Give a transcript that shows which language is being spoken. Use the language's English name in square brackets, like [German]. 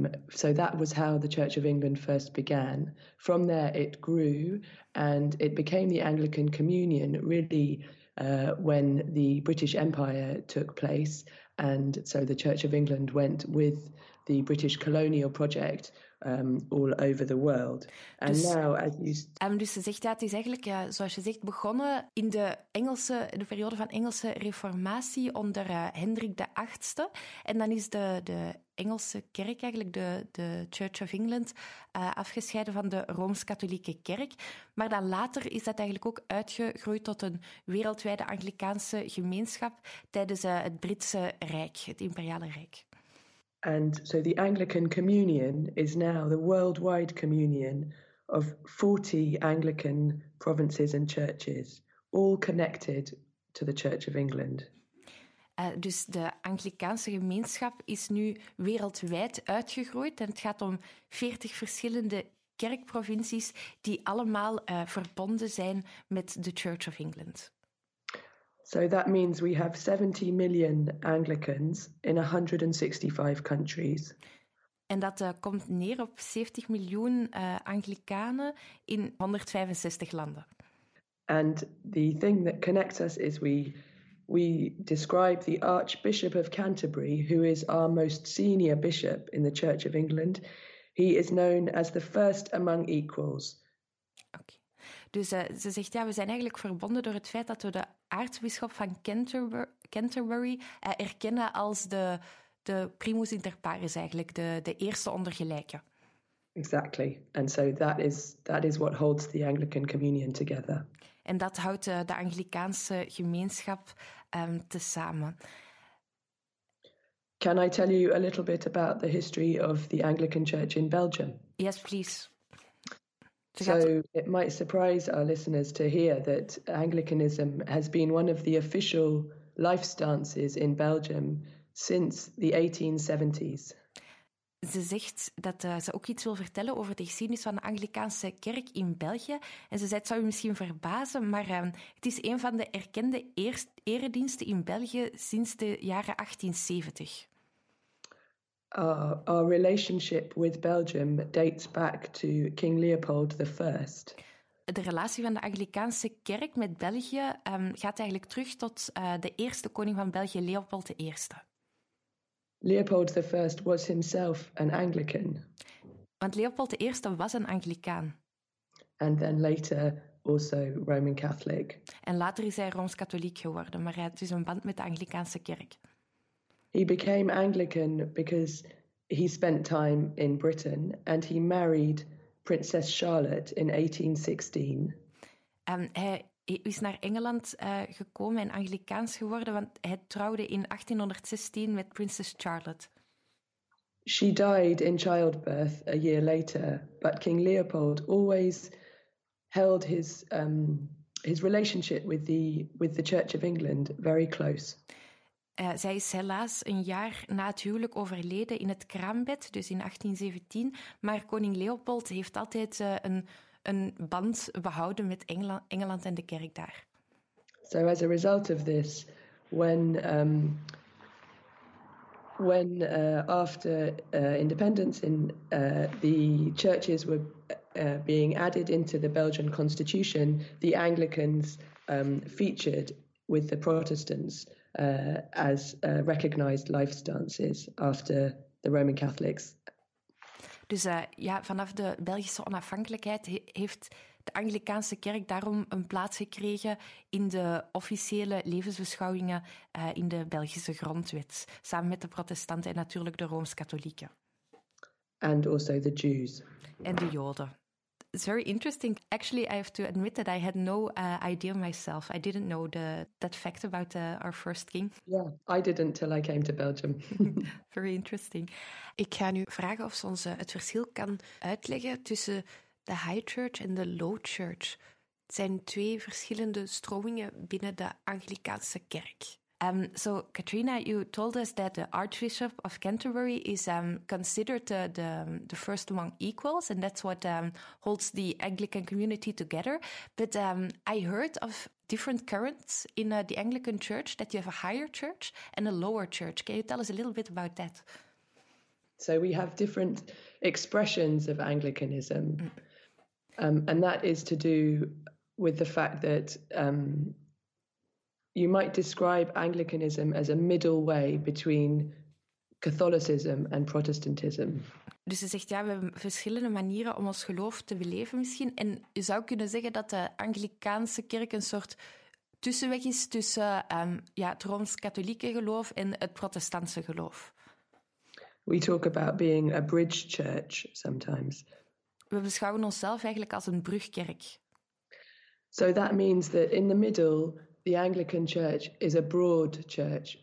[English] So that was how the Church of England first began. From there, it grew and it became the Anglican Communion, really, when the British Empire took place. And so the Church of England went with the British colonial project all over the world. And [Dutch] dus, [English] now, as you [Dutch] dus ze zegt, ja, het is eigenlijk, zoals je zegt, begonnen in de periode van Engelse reformatie onder Hendrik VIII. En dan is de Engelse kerk, eigenlijk de Church of England, afgescheiden van de Rooms-Katholieke kerk. Maar dan later is dat eigenlijk ook uitgegroeid tot een wereldwijde Anglicaanse gemeenschap tijdens het Britse Rijk, het Imperiale Rijk. [English] And so the Anglican Communion is now the worldwide communion of 40 Anglican provinces and churches, all connected to the Church of England. [Dutch] Dus de Anglicaanse gemeenschap is nu wereldwijd uitgegroeid en het gaat om 40 verschillende kerkprovincies die allemaal verbonden zijn met de Church of England. [English] So that means we have 70 million Anglicans in 165 countries. [Dutch] En dat komt neer op 70 miljoen Anglicanen in 165 landen. [English] And the thing that connects us is we describe the Archbishop of Canterbury, who is our most senior bishop in the Church of England. He is known as the first among equals. Okay. [Dutch] Dus ze zegt, ja, we zijn eigenlijk verbonden door het feit dat we de aartsbisschop van Canterbury erkennen als de primus inter pares, eigenlijk de eerste onder gelijken. [English] Exactly. And so that is what holds the Anglican Communion together. [Dutch] En dat houdt de Anglicaanse gemeenschap tezamen. [English] Can I tell you a little bit about the history of the Anglican Church in Belgium? Yes, please. So it might surprise our listeners to hear that Anglicanism has been one of the official life stances in Belgium since the 1870s. [Dutch] Ze zegt dat ze ook iets wil vertellen over de geschiedenis van de Anglicaanse kerk in België. En ze zei, het zou u misschien verbazen, maar het is een van de erkende erediensten in België sinds de jaren 1870. [English] Our relationship with Belgium dates back to King Leopold I. [Dutch] De relatie van de Anglicaanse kerk met België gaat eigenlijk terug tot de eerste koning van België, Leopold I. [English] Leopold I was himself an Anglican. [Dutch] Want Leopold I was een Anglicaan. [English] And then later also Roman Catholic. [Dutch] En later is hij Rooms-Katholiek geworden, maar hij had dus een band met de Anglicaanse kerk. [English] He became Anglican because he spent time in Britain and he married Princess Charlotte in 1816. [Dutch] Hij is naar Engeland gekomen en Anglicaans geworden, want hij trouwde in 1816 met Princess Charlotte. [English] She died in childbirth a year later, but King Leopold always held his relationship with the Church of England very close. [Dutch] Zij is helaas een jaar na het huwelijk overleden in het kraambed, dus in 1817. Maar koning Leopold heeft altijd een band behouden met Engeland en de kerk daar. [English] So as a result of this, when after independence in the churches were being added into the Belgian constitution, the Anglicans featured with the Protestants as recognized life stances after the Roman Catholics. [Dutch] Dus vanaf de Belgische onafhankelijkheid heeft de Anglicaanse kerk daarom een plaats gekregen in de officiële levensbeschouwingen in de Belgische grondwet, samen met de protestanten en natuurlijk de Rooms-Katholieken. [English] And also the Jews. [Dutch] En de Joden. [English] It's very interesting. Actually, I have to admit that I had no idea myself. I didn't know that fact about our first king. Yeah, I didn't till I came to Belgium. Very interesting. [Dutch] Ik ga nu vragen of ze ons het verschil kan uitleggen tussen de High Church en de Low Church. Het zijn twee verschillende stromingen binnen de Anglicaanse kerk. [English] So, Katrina, you told us that the Archbishop of Canterbury is considered the first among equals, and that's what holds the Anglican community together. But I heard of different currents in the Anglican Church, that you have a higher church and a lower church. Can you tell us a little bit about that? So we have different expressions of Anglicanism, and that is to do with the fact that you might describe Anglicanism as a middle way between Catholicism and Protestantism. [Dutch] Dus ze zegt, ja, we hebben verschillende manieren om ons geloof te beleven misschien. En je zou kunnen zeggen dat de Anglicaanse kerk een soort tussenweg is tussen het Rooms-Katholieke geloof en het Protestantse geloof. [English] We talk about being a bridge church sometimes. [Dutch] We beschouwen onszelf eigenlijk als een brugkerk. [English] So that means that in the middle, the Anglican Church is a broad church.